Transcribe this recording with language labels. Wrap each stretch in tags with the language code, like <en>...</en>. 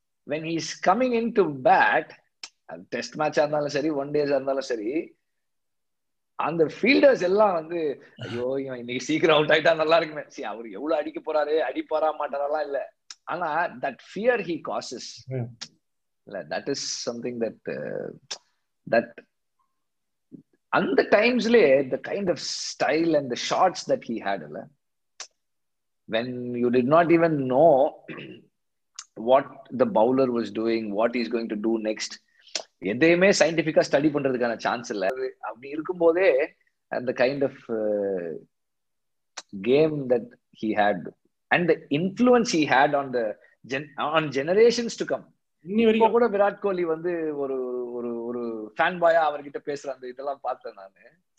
<en>when he is coming into bat</en> <ta>test match ஆ இருந்தாலும் சரி one day ஆ இருந்தாலும் சரி அந்த ஃபீல்டர்ஸ் எல்லாம் வந்து ஐயோ இவன் இன்னைக்கு சீக்கிரம் அவுட் ஆயிட்டா நல்லா இருக்குமே. see அவர் எவ்வளவு அடிக்க போறாரு அடிப்பாரா மாட்டாரெல்லாம் இல்ல. ஆனா</ta> <en>that fear he causes</en> <ta>இல்ல</ta> <en>that is something that that</en> <ta>அந்த டைம்ஸ்லயே</ta> <en>the kind of style and the shots that he had இல்ல when you did not even know what the bowler was doing, what he's going to do next.</en> <ta>எதையுமே சயின்டிஃபிக்கா study பண்றதுக்கான chance இல்ல. அப்படி இருக்கும் போதே அந்த</ta> <en>Kind of game that he had and the influence he had on the on generations to come.</en> <ta>இப்போ கூட விராட் கோலி வந்து ஒரு ஒரு ஒரு ஃபேன் பாயா அவர்கிட்ட பேசுற அந்த இதெல்லாம் பார்த்தேன் நானு.</ta>